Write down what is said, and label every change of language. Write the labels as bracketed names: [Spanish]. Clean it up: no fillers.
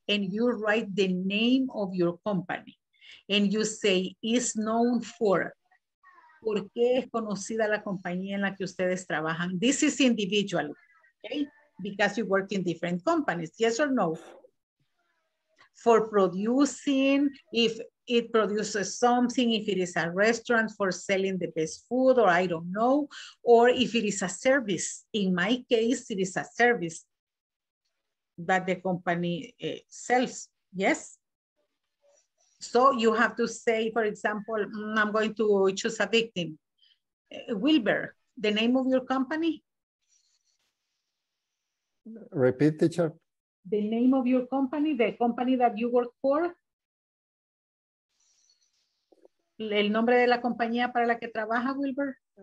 [English] And you write the name of your company. And you say, is known for. [Spanish] ¿Por qué es conocida la compañía en la que ustedes trabajan? [English] This is individual, okay? Because you work in different companies, yes or no? For producing, if it produces something, if it is a restaurant for selling the best food, or I don't know, or if it is a service. In my case, it is a service that the company sells, yes? So you have to say, for example, I'm going to choose a victim. Wilbur, the name of your company? Repeat, teacher. The name of your company, the company that you work for? [Spanish] El nombre de la compañía para la que trabaja, Wilbur?